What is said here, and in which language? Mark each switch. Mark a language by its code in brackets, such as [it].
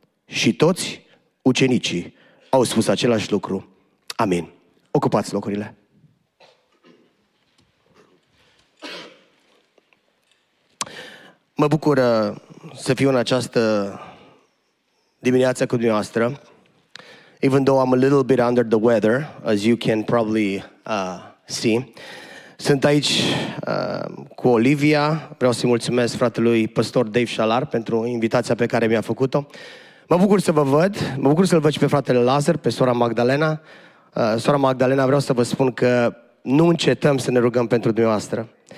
[ro] Și toți ucenicii au spus același lucru. Amin. Ocupați locurile. Mă bucur să fiu în această dimineață cu dumneavoastră. [en] Even though I'm a little bit under the weather, as you can probably see, [ro] sunt aici cu Olivia. Vreau să-i mulțumesc fratelui pastor Dave Shalar pentru invitația pe care mi-a făcut-o. Mă bucur să vă văd. Mă bucur să-l văd și pe fratele Lazar, pe sora Magdalena. Sora Magdalena, vreau să vă spun că nu încetăm să ne rugăm pentru dumneavoastră.